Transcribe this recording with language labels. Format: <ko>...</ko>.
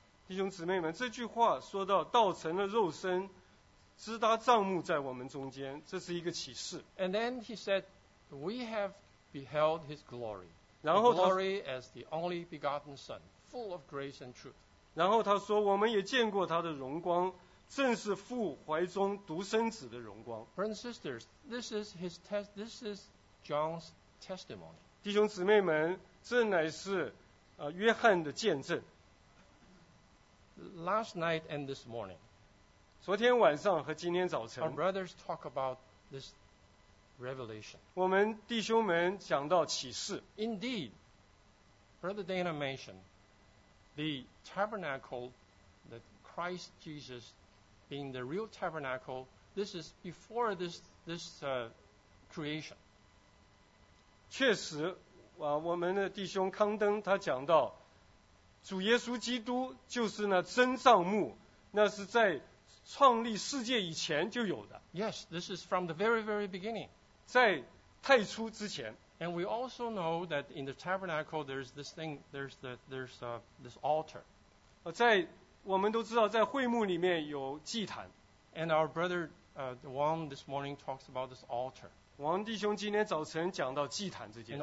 <zh>弟兄姊妹们，这句话说到道成了肉身。支搭帐幕在我们中间，这是一个启示。</zh> <en>And then he said, we have beheld his glory.</en> <zh>然后他</zh> <en>glory as the only begotten Son, full of grace and truth.</en> <zh>然后他说，我们也见过他的荣光，正是父怀中独生子的荣光。</zh> <en>Brothers and sisters, this is his test. This is John's testimony.</en> <zh>弟兄姊妹们，这乃是约翰的见证。</zh> <en>Last night and this morning.</en> <zh>昨天晚上和今天早晨。</zh> <en>Our brothers talk about this. Revelation.</en> <zh>我们弟兄们讲到启示。</zh> <en>Indeed, Brother Dana mentioned the tabernacle that Christ Jesus being the real tabernacle. This is before this creation.</en> <zh>确实，我们的弟兄康登他讲到，主耶稣基督就是那真帐幕，那是在创立世界以前就有的。</zh> <en>Yes, this is from the very, very beginning.</en> <zh>在太初之前。</zh> <en>And we also know that in the tabernacle there's this thing, there's this altar.</en> <zh>在我们都知道在会幕里面有祭坛。</zh> <en>And our brother Wang this morning talks about this altar.</en> <zh>王弟兄今天早晨讲到祭坛这件事。</zh>